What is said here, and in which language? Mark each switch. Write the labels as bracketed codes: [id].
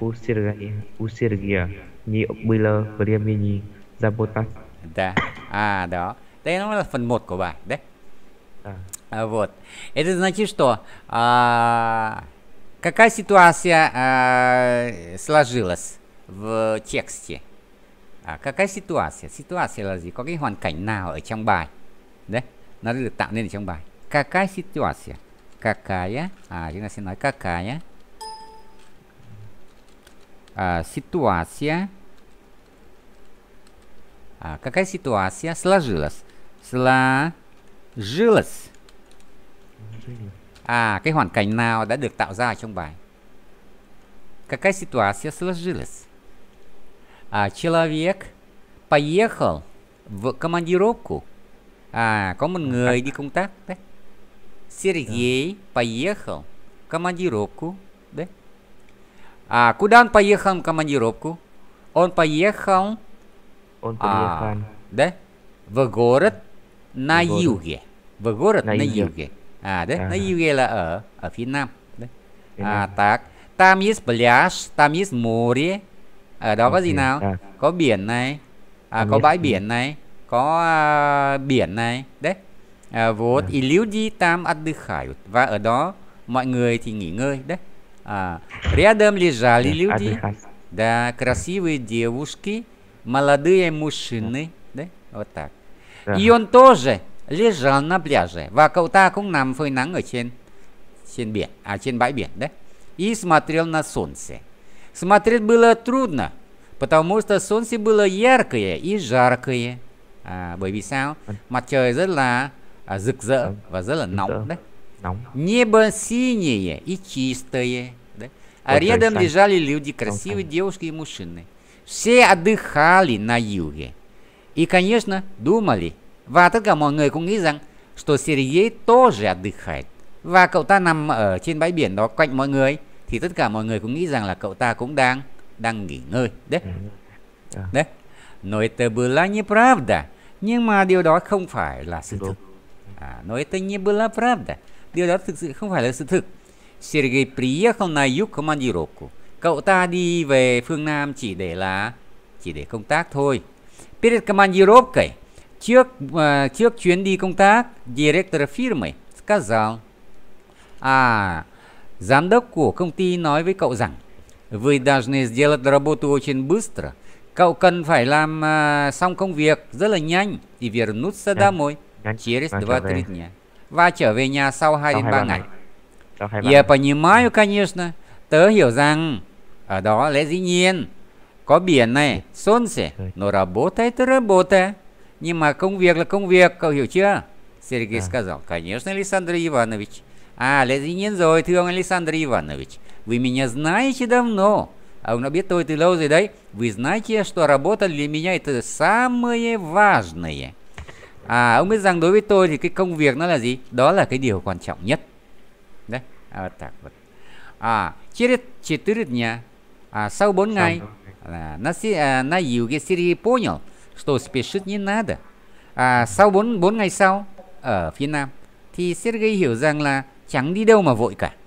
[ru] У Сергея не было времени заботаться. Да. А, да. Да, это была фан мод куба, да? Да. Вот. Это значит, что... Какая ситуация сложилась в тексте? А какая ситуация? [vi] Ситуация là gì? Có cái hoàn cảnh nào ở trong bài? Đấy, nó được tạo nên ở trong bài. [ru] Какая ситуация? Какая? [vi] А, chúng ta sẽ nói какая. [ru] А, ситуация. А, какая ситуация сложилась? Сложилась. [vi] À, cái hoàn cảnh nào đã được tạo ra trong bài? [ru] Какая ситуация сложилась? À, человек поехал в командировку. [vi] À, có một người đi công tác đấy. [ru] Сергей поехал в командировку. [vi] Đấy. [ru] À, куда он поехал в командировку? Он поехал đấy. В город на юге. В город на юге. [vi] À, đấy, nó yêu ghê là ở phía Nam. Đấy. À, tak. [ru] Там есть пляж, там есть море. [vi] Ở đó có gì nào? Có biển này. À, có bãi biển này. Có biển này. Đấy. [ru] À, вот, и люди там отдыхают. [vi] Và ở đó, mọi người thì nghỉ ngơi. [ru] Đấy. À, рядом лежали люди. Да, красивые девушки, молодые мужчины. Đấy, вот так. И он тоже лежал на пляже. [vi] Và cậu ta cũng nằm phơi nắng ở trên biển, à trên bãi biển đấy. [ru] И смотрел на солнце. Смотреть было трудно, потому что солнце было яркое и жаркое. [vi] À, bởi vì sao? Mặt trời rất là rực rỡ và rất là nóng đấy. Nóng. [ru] Небо синее и чистое. Đấy. À, рядом лежали люди, красивые девушки и мужчины. Все отдыхали на юге. И, конечно, думали. [vi] Và tất cả mọi người cũng nghĩ rằng что Сергей тоже отдыхает. Và cậu ta nằm ở trên bãi biển đó cạnh mọi người, thì tất cả mọi người cũng nghĩ rằng là cậu ta cũng đang nghỉ ngơi. [ru] Đấy. Đấy. Но это была неправда. [vi] Nhưng mà điều đó không phải là sự thực. [ru] À, но это не была правда. [vi] Điều đó thực sự không phải là sự thực. [ru] Сергей приехал на юг командировку. [vi] Cậu ta đi về phương Nam chỉ để công tác thôi. [ru] Перед командировкой. [vi] Trước chuyến đi công tác, [ru] director firmy сказал. [vi] À, giám đốc của công ty nói với cậu rằng [ru] вы должны сделать работу очень быстро. [vi] Cậu cần phải làm xong công việc rất là nhanh. [ru] И вернуться домой через 2-3 дня. [vi] Và trở về nhà sau 2-3 ngày. [ru] Я понимаю, конечно. [vi] Tớ hiểu rằng ở đó lẽ dĩ nhiên có biển này, [ru] солнце, но работать работа. [vi] Nhưng mà công việc là công việc, cậu hiểu chưa? [ru] Сергей сказал. Конечно, Александр Иванович. [vi] À, lẽ dĩ nhiên rồi, thưa ông Александр Иванович. [ru] Вы меня знаете давно. [vi] Ông đã biết tôi từ lâu rồi đấy. [ru] Вы знаете, что работа для меня это самое важное. [vi] À, ông biết rằng đối với tôi thì cái công việc nó là gì? Đó là cái điều quan trọng nhất. Đấy. À, [ru] так вот. [vi] À, [ru] четыре дня. [vi] À, sau 4 ngày. [ru] На юге Сергей понял. Что спешить не надо. [vi] À, sau 4 ngày sau ở phía Nam thì Sergey hiểu rằng là chẳng đi đâu mà vội cả.